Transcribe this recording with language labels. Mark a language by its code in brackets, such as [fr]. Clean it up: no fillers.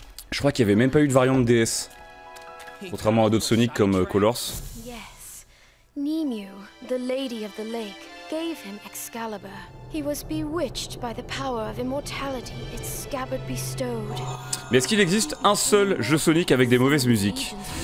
[fr] Je crois qu'il n'y avait même pas eu de variant de DS. Contrairement à d'autres Sonic comme Colors. [en] Yes. Nimue, the lady of the lake, gave him Excalibur. He was bewitched by the power of immortality its scabbard bestowed. [fr] Mais est-ce qu'il existe un seul jeu Sonic avec des mauvaises musiques?